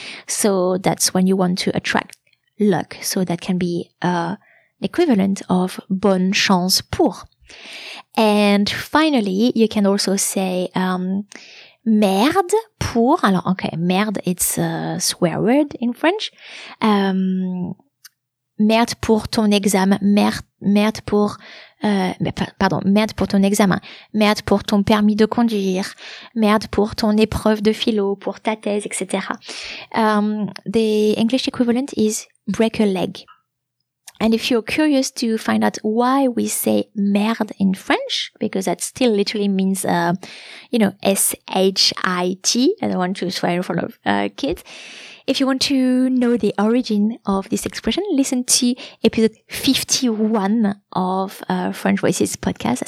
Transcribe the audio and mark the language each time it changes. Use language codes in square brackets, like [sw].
[en] So that's when you want to attract luck. So that can be an equivalent of [fr] bonne chance pour. [en] And finally, you can also say [fr] merde pour. [en] Alors, okay, merde, it's a swear word in French. [fr] Merde pour ton examen. Merde pour... merde pour ton examen, merde pour ton permis de conduire, merde pour ton épreuve de philo, pour ta thèse, etc. [en] The English equivalent is break a leg. And if you're curious to find out why we say merde in French, because that still literally means, you know, S-H-I-T, I don't want to swear in front of kids. If you want to know the origin of this expression, listen to episode 51 of French Voices podcast.